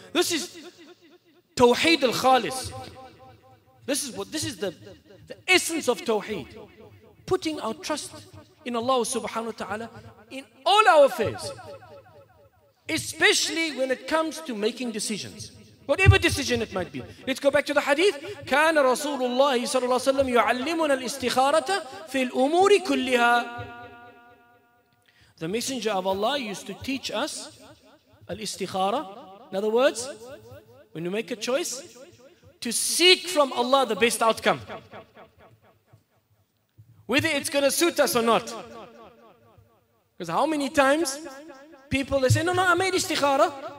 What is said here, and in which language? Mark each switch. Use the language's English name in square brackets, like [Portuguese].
[English] This is Tawheed al-Khalis. This is the essence of Tawheed. Putting our trust in Allah subhanahu wa ta'ala in all our affairs. Especially when it comes to making decisions. Whatever decision it might be. Let's go back to the hadith. [Arabic] كان رسول الله صلى الله عليه وسلم يعلمنا الاستخارة في الأمور كلها. [English] The messenger of Allah used to teach us الاستخارة. In other words, when you make a choice, to seek from Allah the best outcome. Whether it's going to suit us or not. Because how many times people, they say, no, I made istikhara.